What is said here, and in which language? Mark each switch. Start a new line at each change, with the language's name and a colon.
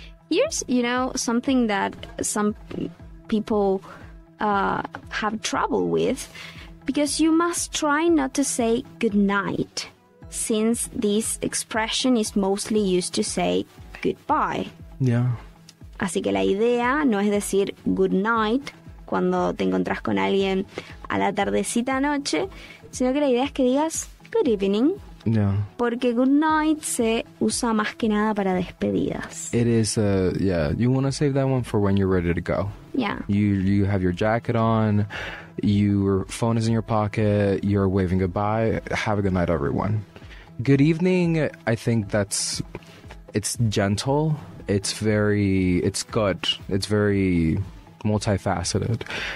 English: Here's, you know, something that some people have trouble with, because you must try not to say goodnight, since this expression is mostly used to say goodbye. Yeah.
Spanish: Así que la idea no es decir goodnight cuando te encontrás con alguien a la tardecita noche, sino que la idea es que digas good evening.
English: Yeah.
Spanish: Porque good night se usa más que nada para despedidas.
English: It is, yeah, you want to save that one for when you're ready to go. Yeah. You have your jacket on, your phone is in your pocket, you're waving goodbye, have a good night, everyone. Good evening, I think that's, it's gentle, it's very, it's good, it's very multifaceted.